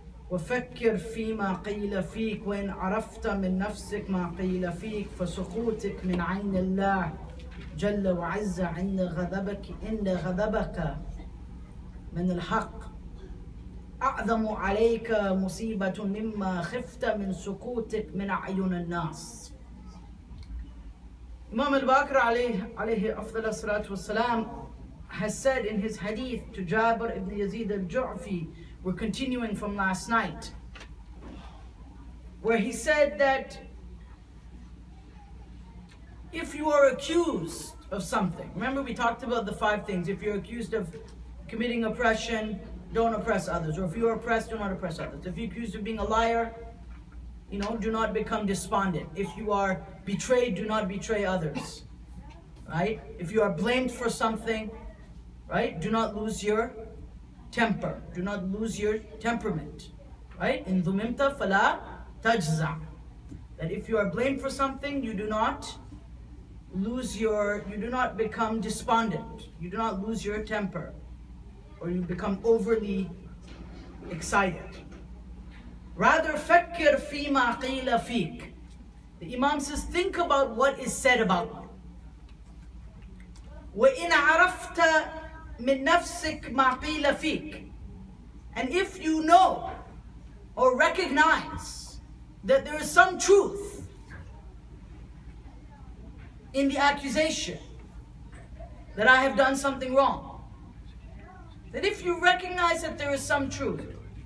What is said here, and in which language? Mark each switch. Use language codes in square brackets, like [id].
[ar] وفكر فيما قيل فيك وإن عرفت من نفسك ما قيل فيك فسقوطك من عين الله جل وعز عند غضبك إن غضبك من الحق أعظم عليك مصيبة مما خفت من سقوطك من عيون الناس. [en] Imam al-Baqir alayhi afdal as-salatu wassalam has said in his hadith to Jabir ibn Yazid al-Ju'fi, we're continuing from last night, where he said that if you are accused of something, remember we talked about the five things, if you're accused of committing oppression, don't oppress others, or if you are oppressed, do not oppress others. If you're accused of being a liar, you know, do not become despondent. If you are betrayed, do not betray others, right? If you are blamed for something, right, do not lose your temper. Do not lose your temperament, right? [ar] إِن ذُمِمْتَ فَلَا تَجْزَعْ. [en] That if you are blamed for something, you do not lose your, you do not become despondent. You do not lose your temper, or you become overly excited. [ar] Rather, فَكِّرْ فِي مَا قِيلَ فِيكْ. [en] The Imam says, think about what is said about you. [ar] وَإِنْ عَرَفْتَ مِنْ نَفْسِكْ مَا قِيلَ فِيكْ. [en] And if you know or recognize that there is some truth in the accusation that I have done something wrong, that if you recognize that there is some truth,